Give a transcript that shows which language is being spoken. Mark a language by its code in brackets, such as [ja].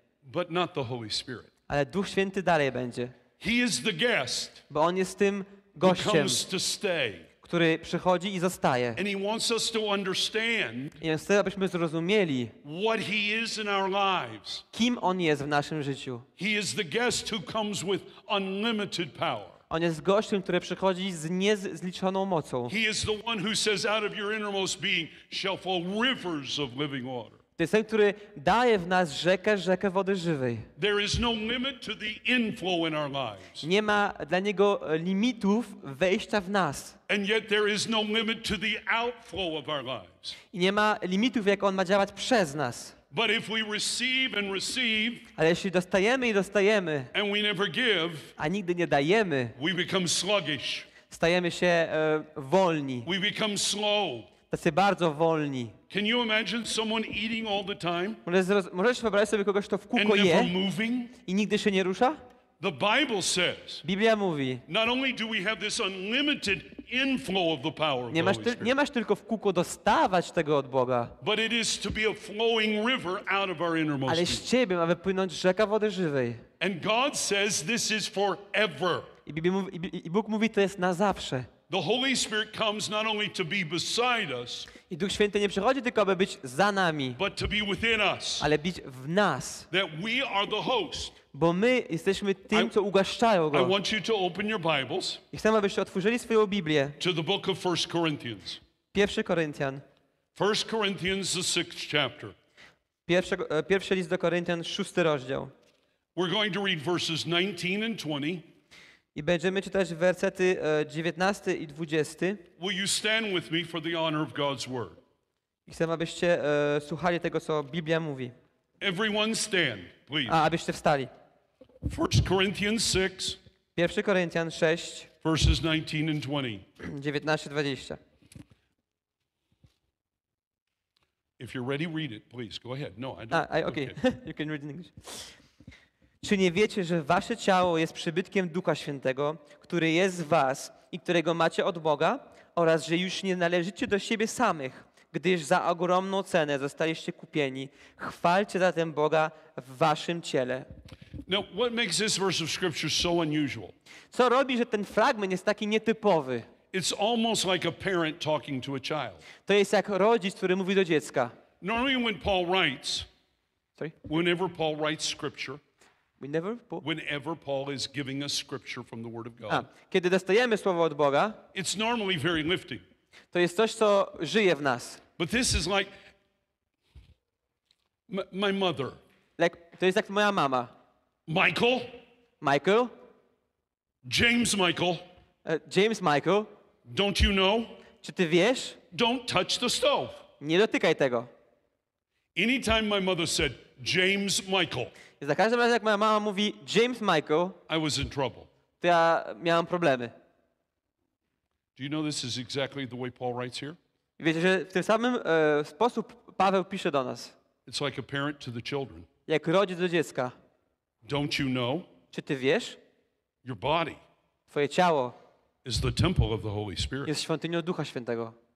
[en] But not the Holy Spirit. [pl] Ale Duch Święty dalej będzie. [en] He is the guest. [pl] Bo on jest tym gościem. [en] Comes to stay. [pl] Który przychodzi i zostaje. [en] And he wants us to understand. [pl] I on chce, abyśmy zrozumieli. [en] What he is in our lives. [pl] Kim on jest w naszym życiu. [en] He is the guest who comes with unlimited power. [pl] On jest gościem, który przychodzi z niezliczoną mocą. [en] He is the one who says, out of your innermost being shall flow rivers of living water. [pl] To jest ten, który daje w nas rzekę wody żywej. [en] There is no limit to the inflow in our lives. [pl] Nie ma dla niego limitów wejścia w nas. [en] And yet there is no limit to the outflow of our lives. [pl] I nie ma limitów, jak on ma działać przez nas. [en] But if we receive and receive, [pl] ale jeśli dostajemy i dostajemy, [en] and we never give, [pl] a nigdy nie dajemy, [en] we become sluggish. [pl] Stajemy się wolni. [en] We become slow. [pl] Tacy bardzo wolni. [en] Can you imagine someone eating all the time? [pl] Możesz wyobrazić sobie kogoś, kto w kółko je i nigdy się nie rusza? [en] The Bible says. [pl] Biblia mówi. [en] Not only do we have this unlimited inflow of the power of the Holy Spirit. [pl] Nie masz tylko w kółko dostawać tego od Boga. [en] But it is to be a flowing river out of our innermost. [pl] Ale z ciebie ma wypłynąć rzeka wody żywej. [en] And God says this is forever. [pl] I Bóg mówi, to jest na zawsze. [en] The Holy Spirit comes not only to be beside us. [pl] I Duch Święty nie przychodzi tylko, aby być za nami. [en] But to be within us. [pl] Ale być w nas. [en] That we are the host. [pl] Bo my jesteśmy tym, co ugaszczają go. [en] I want you to open your Bibles. [pl] I chcę, abyście otworzyli swoją Biblię. [en] To the book of 1 Corinthians. [pl] 1 Koryntian. [en] 1 Corinthians the 6th chapter. [pl] Pierwszy list do Koryntian, 6 rozdział. [en] We're going to read verses 19 and 20. [pl] I będziemy czytać wersety 19 i 20. [en] Will you stand with me for the honor of God's word? [pl] I chcę, abyście słuchali tego, co Biblia mówi. [en] Everyone stand, please. [pl] A abyście wstali. [en] 1 Corinthians 6. [pl] 1 Koryntian 6. [en] Verses 19 and 20. [pl] 19 i 20. [en] If you're ready, read it, please. Go ahead. No, I don't. Okay. You can read in English. [pl] Czy nie wiecie, że wasze ciało jest przybytkiem Ducha Świętego, który jest w was i którego macie od Boga, oraz że już nie należycie do siebie samych, gdyż za ogromną cenę zostaliście kupieni. Chwalcie zatem Boga w waszym ciele. [en] Now, what makes this verse of scripture so unusual? [pl] Co robi, że ten fragment jest taki nietypowy? [en] It's almost like a parent talking to a child. [pl] To jest jak rodzic, który mówi do dziecka. [en] Normally when Paul writes, sorry? Whenever Paul writes scripture, Whenever Paul is giving us scripture from the Word of God, [pl] kiedy dostajemy słowo od Boga, [en] it's normally very lifting. [pl] To jest coś, co żyje w nas. [en] But this is like my mother. [pl] Like, to jest jak moja mama. [en] Michael. James Michael. James Michael. Don't you know? [pl] Czy ty wiesz? [en] Don't touch the stove. [pl] Nie dotykaj tego. [en] Anytime my mother said James Michael. [pl] Za każdym razem, jak moja mama mówi James Michael, [en] I was in trouble. [pl] To ja miałem problemy. [en] Do you know this is exactly the way Paul writes here? [pl] Wiecie, że w tym samym sposób Paweł pisze do nas. [en] It's like a parent to the children. [pl] Jak rodzic do dziecka. [en] Don't you know? [pl] Czy ty wiesz? [en] Your body. [pl] Twoje ciało. [en] is the temple of the Holy Spirit. [pl] Jest świątynią Ducha Świętego.